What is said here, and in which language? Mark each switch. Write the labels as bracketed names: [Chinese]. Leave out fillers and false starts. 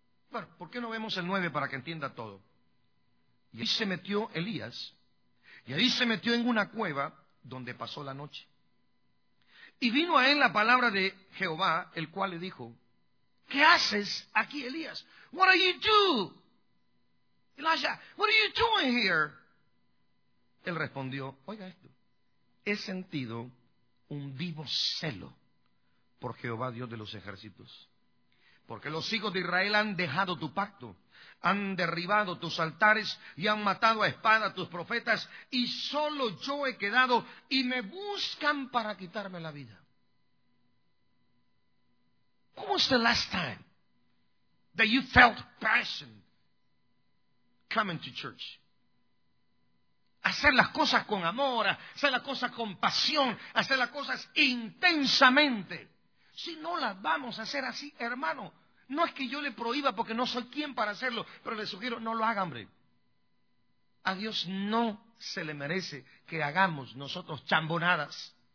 [Spanish] Bueno, ¿por qué no vemos el 9 para que entienda todo? Y ahí se metió Elías, y ahí se metió en una cueva donde pasó la noche. Y vino a él la palabra de Jehová, el cual le dijo, ¿qué haces aquí, Elías? [English] What are you doing? Elijah, what are you doing here? [Spanish] Él respondió, oiga esto, he sentido un vivo celo por Jehová Dios de los ejércitos, porque los hijos de Israel han dejado tu pacto, han derribado tus altares y han matado a espada a tus profetas, y solo yo he quedado y me buscan para quitarme la vida. [English] When was the last time that you felt passion coming to church? [Spanish] Hacer las cosas con amor, hacer las cosas con pasión, hacer las cosas intensamente. Si no las vamos a hacer así, hermano, no es que yo le prohíba porque no soy quien para hacerlo, pero le sugiero, no lo haga, hombre. A Dios no se le merece que hagamos nosotros chambonadas.